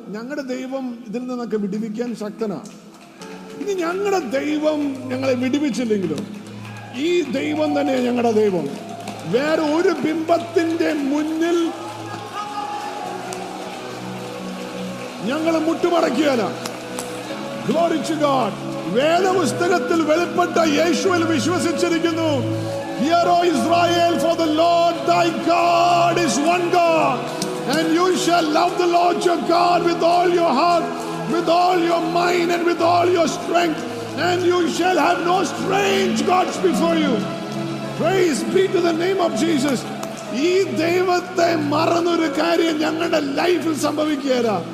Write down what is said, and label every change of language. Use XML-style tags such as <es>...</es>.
<ml>ഞങ്ങളുടെ ദൈവം ഇതിൽ നിന്നൊക്കെ വിടുവിക്കാൻ ശക്തനാ. ഇനി ഞങ്ങളുടെ ദൈവം ഞങ്ങളെ വിടുവിച്ചില്ലെങ്കിലും ഈ ദൈവം തന്നെയാണ് ഞങ്ങളുടെ ദൈവം. വേറെ ഒരു ബിംബത്തിന്റെ മുന്നിൽ ഞങ്ങളെ മുട്ടുമടക്കിയാല.</ml> <en>Glory to God.</en> <ml>വേദപുസ്തകത്തിൽ വെളിപ്പെട്ട യേശുവിൽ വിശ്വസിച്ചിരിക്കുന്നു.</ml> <en>Hear, O Israel, for the Lord thy God is one God, and you shall love the Lord your God with all your heart, with all your mind, and with all your strength, and you shall have no strange gods before you. Praise be to the name of Jesus.</en> <ml>ഈ ദൈവത്തെ മറന്നൊരു കാര്യം ഞങ്ങളുടെ ലൈഫിൽ സംഭവിക്കുകയില്ല.</ml>